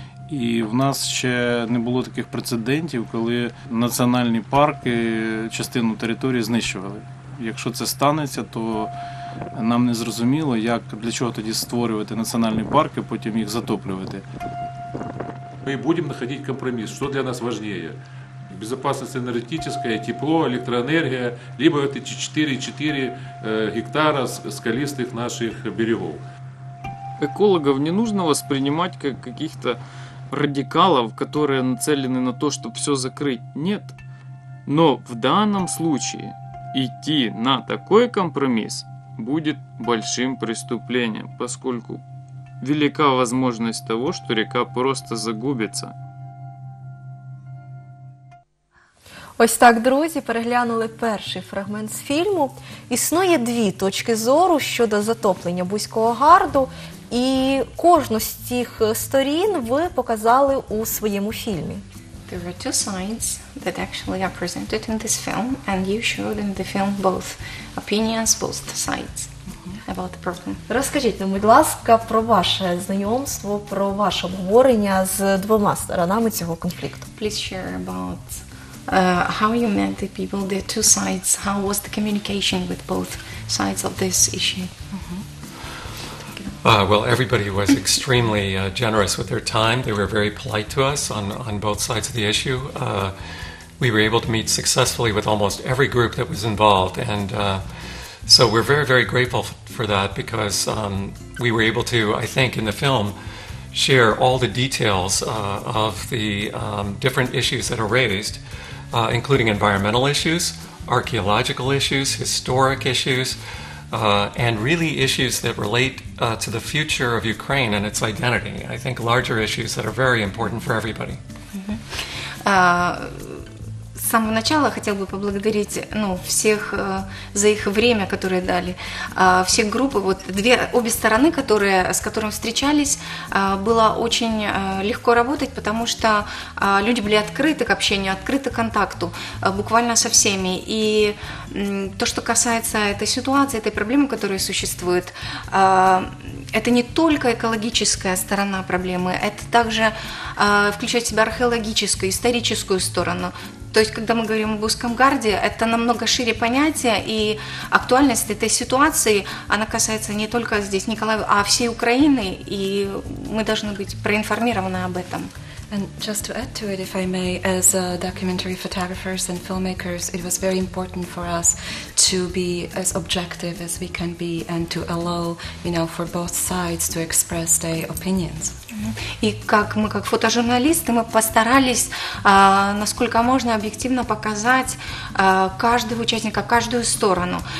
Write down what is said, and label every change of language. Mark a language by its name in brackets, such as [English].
[Ukrainian] І в нас ще не було таких прецедентів, коли національні парки частину території знищували. Якщо це станеться, то нам не зрозуміло, як, для чого тоді створювати національні парки, потім їх затоплювати. Ми будемо знаходити компроміс, що для нас важливіше. [Russian] Безопасность энергетическая, тепло, электроэнергия, либо эти 4 гектара скалистых наших берегов. Экологов не нужно воспринимать как каких-то радикалов, которые нацелены на то, чтобы все закрыть. Нет. Но в данном случае идти на такой компромисс будет большим преступлением, поскольку велика возможность того, что река просто загубится. [Ukrainian] Ось так, друзі, переглянули перший фрагмент з фільму. Існує дві точки зору щодо затоплення Бузького Гарду, і кожну з цих сторін ви показали у своєму фільмі. [English] There were two sides that actually are presented in this film, and you showed in the film both opinions, both sides about the problem. [Ukrainian] Розкажіть нам, будь ласка, про ваше знайомство, про ваше обговорення з двома сторонами цього конфлікту. [English] Please share about how you met the people, the two sides, how was the communication with both sides of this issue? Mm-hmm. Well, everybody was extremely generous with their time. They were very polite to us on both sides of the issue. We were able to meet successfully with almost every group that was involved. And so we're very, very grateful for that because we were able to, I think, in the film, share all the details of the different issues that are raised. Including environmental issues, archaeological issues, historic issues, and really issues that relate to the future of Ukraine and its identity. I think larger issues that are very important for everybody. [Russian] С самого начала хотел бы поблагодарить всех за их время, которое дали. Все группы, обе стороны, с которыми встречались, было очень легко работать, потому что люди были открыты к общению, открыты к контакту буквально со всеми. И то, что касается этой ситуации, этой проблемы, которая существует, это не только экологическая сторона проблемы, это также включает в себя археологическую, историческую сторону. То есть, когда мы говорим о Бузском Гарде, это намного шире понятие, и актуальность этой ситуации, она касается не только здесь Николаева, а всей Украины, и мы должны быть проинформированы об этом. [English] And just to add to it, if I may, as documentary photographers and filmmakers, it was very important for us to be as objective as we can be and to allow, you know, for both sides to express their opinions. [Russian] И как мы, как фотожурналисты, мы постарались, насколько можно, объективно показать каждого участника, каждую сторону.